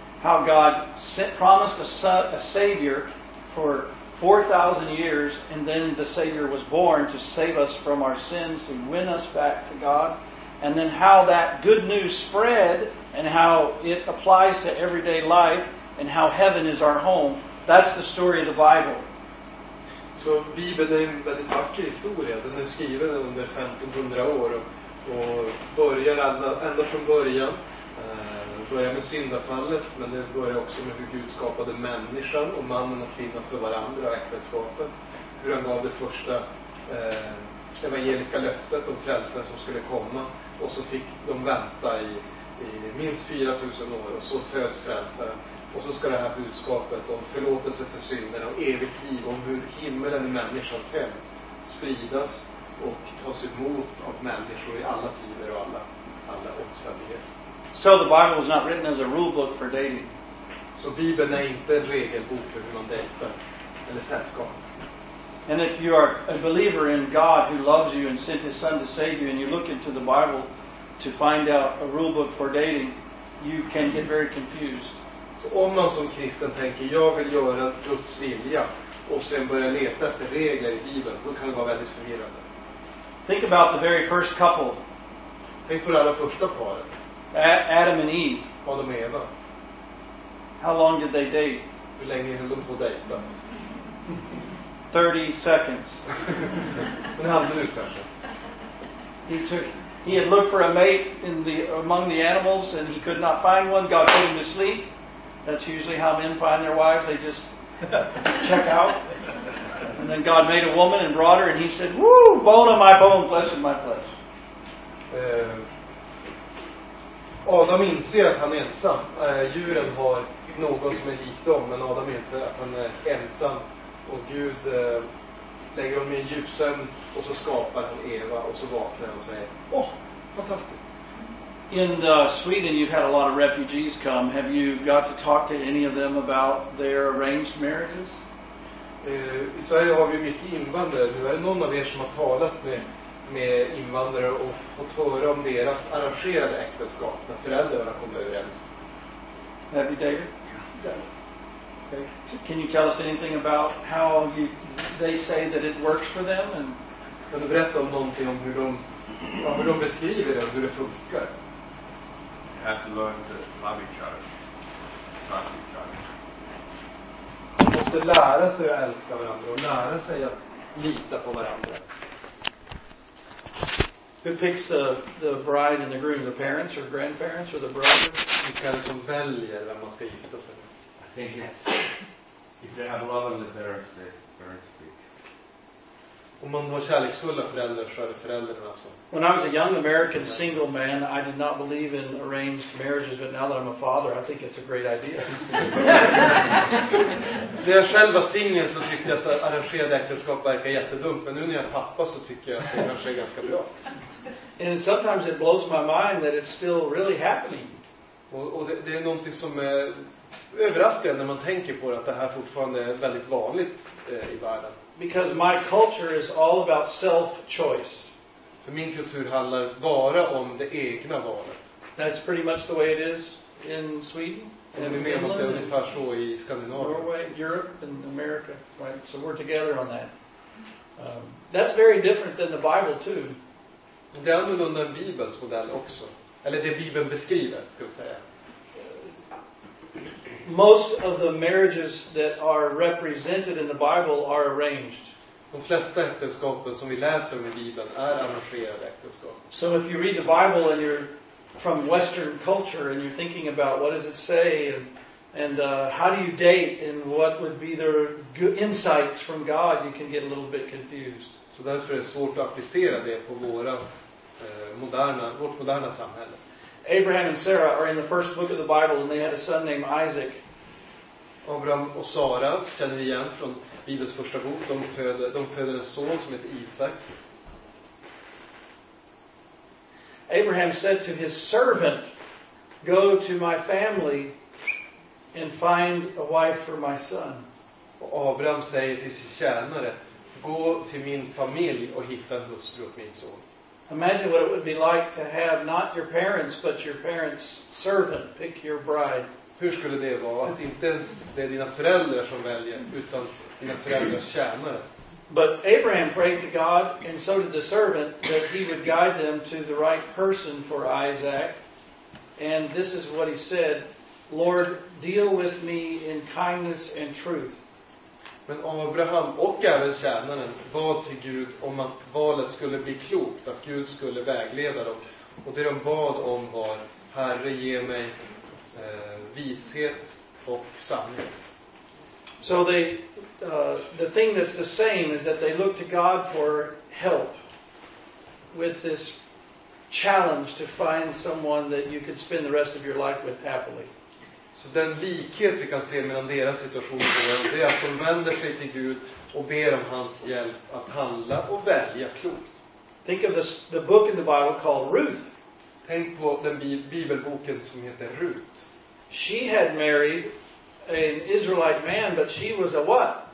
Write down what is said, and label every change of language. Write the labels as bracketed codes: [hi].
[en] How God promised a Savior for 4,000 years, and then the Savior was born to save us from our sins, to win us back to God. And then how that good news spread, and how it applies to everyday life, and how heaven is our home. That's the story of the Bible. [sv] Så Bibeln är en väldigt vacker historia. Den är skriven under 1500 år och börjar ända från början. Börjar med syndafallet, men det börjar också med hur Gud skapade människan och mannen och kvinnan för varandra och äktenskapet. Hur han gav det första evangeliska löftet om frälsen som skulle komma, och så fick de vänta i minst 4000 år, och så föds frälsaren. Och så ska det här budskapet om förlåtelse för synderna och evigt liv, om hur himmelen är människans hem, spridas och tas emot av människor i alla tider och alla omständigheter. [en] So the Bible was not written as a rule book for dating. [sv] Så Bibeln är inte en regelbok för hur man dejtar eller sällskap. [en] And if you are a believer in God who loves you and sent his son to save you, and you look into the Bible to find out a rule book for dating, you can get very confused. [sv] Så om man som kristen tänker, jag vill göra Guds vilja, och sen börjar leta efter regler i Bibeln, så kan det vara väldigt förvirrande. [en] Think about the very first couple. [sv] Tänk på det allra första paret. [en] Adam and Eve. [sv] Adam och Eva. [en] How long did they date? [sv] Hur länge höll de på att dejta? [en] 30 seconds. [sv] En halv minut kanske. [en] He had looked for a mate in the among the animals, and he could not find one. God put him to sleep. That's usually how men find their wives. They just check out. And then God made a woman and brought her, and he said, "Woo, bone of my bone, flesh of my flesh." [sv] Adam inser att han är ensam. Djuren har någon som är lik dem, men Adam inser att han är ensam. Och Gud lägger honom i en djupsömn, och så skapar han Eva, och så vaknar han och säger, åh, fantastiskt. [en] In Sweden you've had a lot of refugees come. Have you got to talk to any of them about their arranged marriages? [sv] I Sverige har vi mycket invandrare. Nu är det någon av er som har talat med invandrare och fått höra om deras arrangerade äktenskap när föräldrarna kommer överens? [en] Have you, David? Yeah. Okay. Can you tell us anything about how they say that it works for them? And [sv] kan du berätta om någonting om hur de beskriver det och hur det funkar? [en] Have to learn to love each other. [sv] måste lära sig att älska varandra och lära sig att lita på varandra. [en] Who picks the bride and the groom, the parents or grandparents or the brother? [sv] Vilka som väljer vem man ska gifta sig med? [en] I think it's if they have love and the parents, the parents pick. [sv] Om man har kärleksfulla föräldrar så är det föräldrarna som. [en] When I was a young American single man, I did not believe in arranged marriages, but now that I'm a father, I think it's a great idea. [sv] När jag själv var singel så tyckte jag att arrangerade äktenskap verkar jättedumt, men nu när jag är pappa så tycker jag att det kanske är ganska bra. [en] And sometimes it blows my mind that it's still really happening. [sv] Och det är någonting som är överraskande när man tänker på att det här fortfarande är väldigt vanligt i världen. [en] Because my culture is all about self-choice. [sv] För min kultur handlar bara om det egna valet. [en] That's pretty much the way it is in Sweden. [sv] Och vi menar att det är ungefär så i Skandinavien. [en] Norway, Europe and America. Right? So we're together on that. That's very different than the Bible too. [sv] Det är annorlunda än Bibels modell också. Eller det Bibeln beskriver, ska vi säga. [en] Most of the marriages that are represented in the Bible are arranged. [sv] De flesta äktenskapen som vi läser om i Bibeln är arrangerade äktenskap. [en] So if you read the Bible and you're from Western culture and you're thinking about what does it say and how do you date and what would be the good insights from God, you can get a little bit confused. [sv] Så därför är det svårt att applicera det på vårt moderna samhälle. [en] Abraham and Sarah are in the first book of the Bible and they had a son named Isaac. [sv] Abraham och Sara känner vi igen från Bibelns första bok. De föder en son som heter Isaac. [en] Abraham said to his servant, go to my family and find a wife for my son. [sv] Och Abraham säger till sin tjänare, gå till min familj och hitta en hustru åt min son. [en] Imagine what it would be like to have not your parents but your parents' servant pick your bride. [sv] Hur skulle det vara att inte ens det är dina föräldrar som väljer utan dina föräldrars tjänare? [en] But Abraham prayed to God and so did the servant that he would guide them to the right person for Isaac. And this is what he said, Lord, deal with me in kindness and truth. [sv] Men Abraham och även tjänaren bad till Gud om att valet skulle bli klokt, att Gud skulle vägleda dem. Och det de bad om var, Herre, ge mig vishet och sanning. [en] So the thing that's the same is that they look to God for help with this challenge to find someone that you could spend the rest of your life with happily. [sv] Så den likhet vi kan se mellan deras situation och vår, det är att de vänder sig till Gud och ber om hans hjälp att handla och välja klokt. [en] Think of the book in the Bible called Ruth. [sv] Tänk på den bibelboken som heter Ruth. [en] She had married an Israelite man, but she was a what?